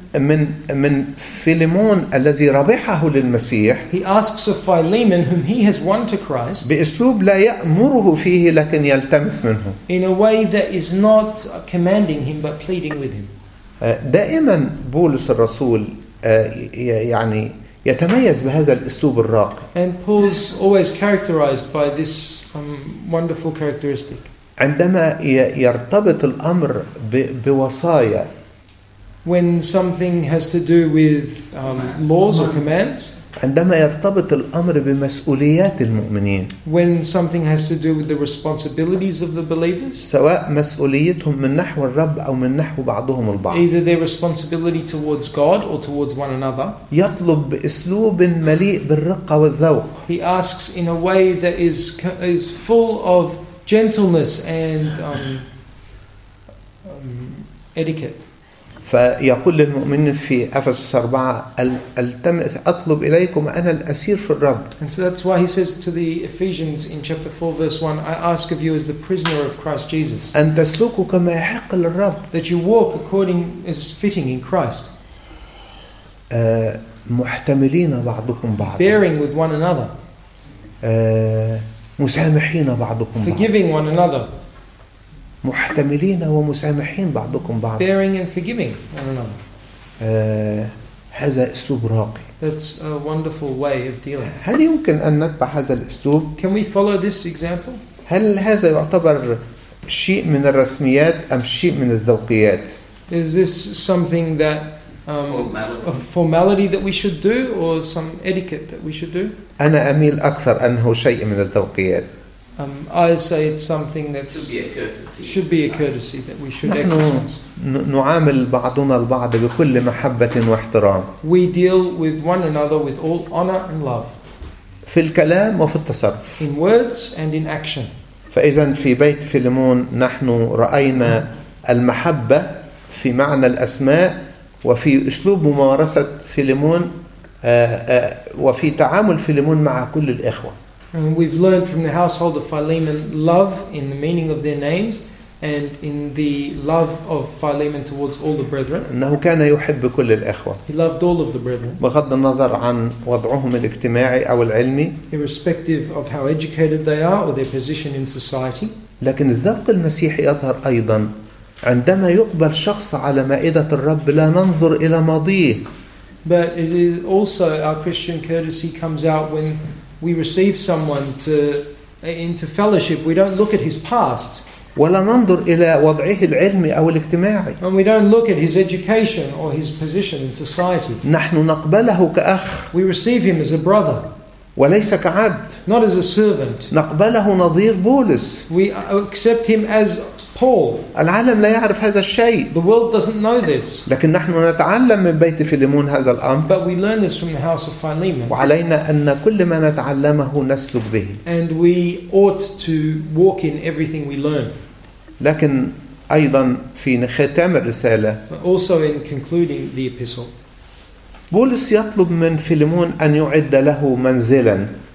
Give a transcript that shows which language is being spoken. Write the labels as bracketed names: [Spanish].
[Arabic] من فيليمون الذي ربحه للمسيح. [English] He asks of Philemon whom he has won to Christ. [Arabic] بأسلوب لا يأمره فيه لكن يلتمس منه. [English] In a way that is not commanding him but pleading with him. [Arabic] دائما بولس الرسول يعني يتميز بهذا الأسلوب الراقي. [English] And Paul's always characterized by this wonderful characteristic. [Arabic] عندما يرتبط الأمر بوصايا. [English] When something has to do with laws or commands. [Arabic] عندما يرتبط الأمر بمسؤوليات المؤمنين. [English] When something has to do with the responsibilities of the believers. [Arabic] سواء مسؤوليتهم من نحو الرب أو من نحو بعضهم البعض. [English] Either their responsibility towards God or towards one another. [Arabic] يطلب بأسلوب مليء بالرقة والذوق. [English] He asks in a way that is full of gentleness and etiquette. [Arabic] فيقول للمؤمنين في أفسس 4 التمس أطلب إليكم أنا الأسير في الرب. [English] And so that's why he says to the Ephesians in chapter 4 verse 1, I ask of you as the prisoner of Christ Jesus. [Arabic] أن تسلكوا كما يحق للرب. [English] That you walk according as fitting in Christ. [Arabic] محتملين بعضكم بعضا. [English] Bearing with one another. [Arabic] مسامحين بعضكم بعضا. [English] Forgiving one another. [Arabic] محتملين ومسامحين بعضكم بعضا. [English] Bearing and forgiving one another. [Arabic] هذا أسلوب راقي. [English] That's a wonderful way of dealing. [Arabic] هل يمكن أن نتبع هذا الأسلوب؟ [English] Can we follow this example? [Arabic] هل هذا يعتبر شيء من الرسميات أم شيء من الذوقيات؟ [English] Is this something that a formality that we should do or some etiquette that we should do? [Arabic] أنا أميل أكثر أنه شيء من الذوقيات. [English] I say it's something that should be a courtesy that we should exercise. [Arabic] نعامل بعضنا البعض بكل محبة واحترام. [English] We deal with one another with all honor and love. [Arabic] في الكلام وفي التصرف. [English] In words and in action. [Arabic] فإذا في بيت فيليمون نحن رأينا المحبة في معنى الأسماء وفي أسلوب ممارسة فيليمون وفي تعامل فيليمون مع كل الإخوة. [English] And we've learned from the household of Philemon love in the meaning of their names and in the love of Philemon towards all the brethren. [Arabic] أنه كان يحب كل الأخوة. [English] He loved all of the brethren. [Arabic] بغض النظر عن وضعهم الاجتماعي أو العلمي. [English] Irrespective of how educated they are or their position in society. [Arabic] لكن الذوق المسيحي يظهر أيضا عندما يقبل شخص على مائدة الرب لا ننظر إلى ماضيه. [English] But it is also our Christian courtesy comes out when we receive someone into fellowship. We don't look at his past. [Arabic] ولا ننظر إلى وضعه العلمي أو الاجتماعي. [English] And we don't look at his education or his position in society. [Arabic] نحن نقبله كأخ. [English] We receive him as a brother. [Arabic] وليس كعبد. [English] Not as a servant. [Arabic] نقبله نظير بولس. [English] We accept him as Paul. [Arabic] العالم لا يعرف هذا الشيء. [English] The world doesn't know this. [Arabic] لكن نحن نتعلم من بيت فيليمون هذا الأمر. [English] But we learn this from the house of Philemon. [Arabic] وعلينا أن كل ما نتعلمه نسلك به. [English] And we ought to walk in everything we learn. [Arabic] لكن أيضا في ختام الرسالة. [English] But also in concluding the epistle. [Arabic] بولس يطلب من فيليمون أن يعد له منزلا.